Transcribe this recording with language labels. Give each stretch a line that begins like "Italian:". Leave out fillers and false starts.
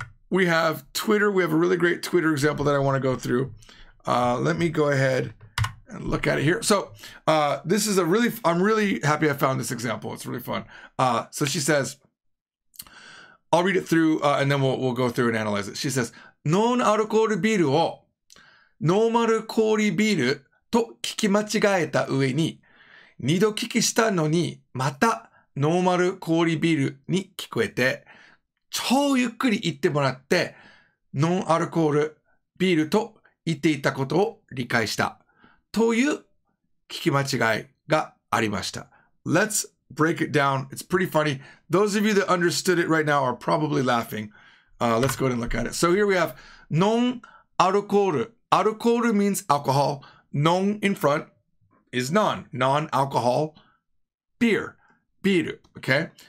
English: We have Twitter. We have a really great Twitter example that I want to go through. Let me go ahead and look at it here. So this is a really, I'm really happy I found this example. It's really fun. So she says, I'll read it through and then we'll go through and analyze it. She says,
Japanese: ノンアルコールビールを聞き間違えた上に、二度聞きしたのにまたノンアルコールに聞こえて、超ゆっくり言ってもらってノンアルコールビールと言っていたことを理解したという聞き間違いがありました。
English: Let's break it down. It's pretty funny. Those of you that understood it right now are probably laughing. Let's go ahead and look at it. So here we have non-alcoholic. Alcohol means alcohol. Non in front is non. Non-alcohol beer. Beer. Okay.